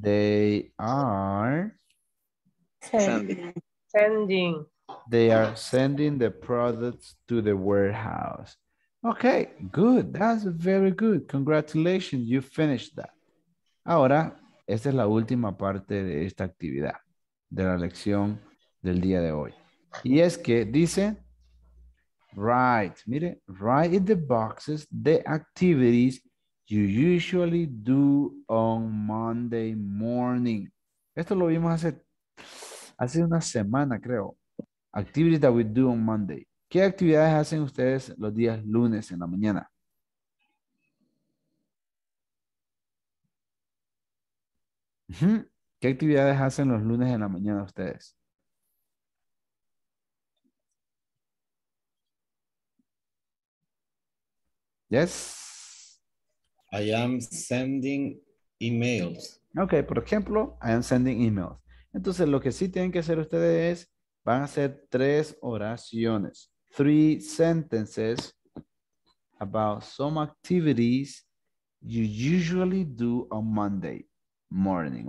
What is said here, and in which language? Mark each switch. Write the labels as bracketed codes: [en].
[en] They are sending the products to the warehouse. Okay, good. That's very good. Congratulations, you finished that. [es] Ahora, esta es la última parte de esta actividad, de la lección del día de hoy. Y es que dice, [en] write in the boxes the activities you usually do on Monday morning. [es] Esto lo vimos hace una semana, creo. [en] Activities that we do on Monday. [es] ¿Qué actividades hacen ustedes los días lunes en la mañana? ¿Qué actividades hacen los lunes en la mañana ustedes? [en] Yes. I am sending emails. Okay, [es] por ejemplo, [en] I am sending emails. [es] Entonces, lo que sí tienen que hacer ustedes es, van a hacer tres oraciones. [en] Three sentences about some activities you usually do on Monday morning.